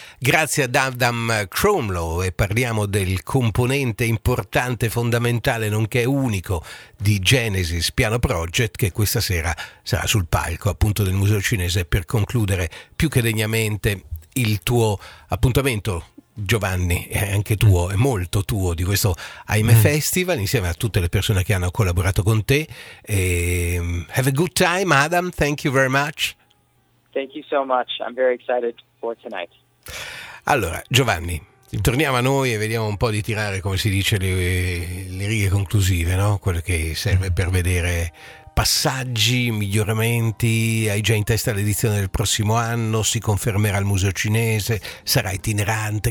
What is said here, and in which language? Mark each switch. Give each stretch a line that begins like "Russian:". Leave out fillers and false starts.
Italian: Grazie ad Adam Cromlow, e parliamo del componente importante, fondamentale, nonché unico di Genesis Piano Project, che questa sera sarà sul palco appunto del Museo Cinese per concludere più che degnamente il tuo appuntamento. Giovanni, è anche tuo, è molto tuo, di questo Aimé Festival, insieme a tutte le persone che hanno collaborato con te.
English: E have a good time, Adam, thank you very much. Thank you so much, I'm very excited for tonight.
Italian: Allora, Giovanni, torniamo a noi e vediamo un po' di tirare, come si dice, le righe conclusive, no? Quello che serve per vedere passaggi, miglioramenti? Hai già in testa l'edizione del prossimo anno? Si confermerà al Museo Cinese? Sarà itinerante?